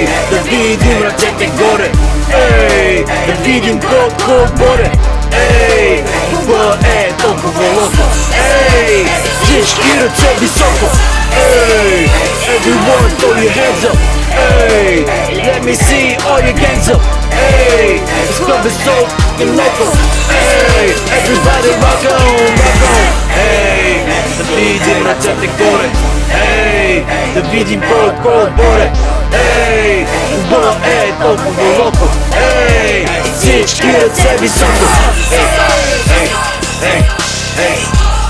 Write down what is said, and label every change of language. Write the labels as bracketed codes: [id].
[bg] Да видим ръцете горе, да видим колко горе, буба е толкова локо, всички ръце високо. [en] Everyone throw your hands up, let me see all your gangs up, this club is so local, everybody rock on, rock on. [bg] Да видим ръцете горе, да видим колко отборе, буба е толкова локо, всички ръце високо.